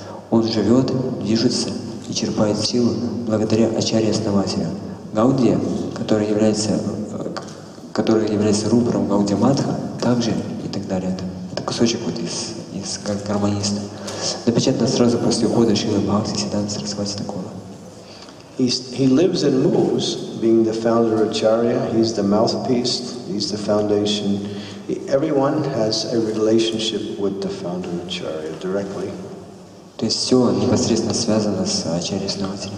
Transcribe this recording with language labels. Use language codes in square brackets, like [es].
[ru] Он живет, движется и черпает силу благодаря Ачарье-основателю. Гаудия, который является рупором Гаудия Мадха, также и так далее. Это кусочек вот из Гармониста. Напечатано сразу после ухода Шрилы Бхактисиддханты Сарасвати Такура. [en] He lives and moves, being the founder of Acharya. He's the mouthpiece, he's the foundation. Everyone has a relationship with the founder of Acharya directly. [ru] То есть все непосредственно связано с Ачарьей-основателем.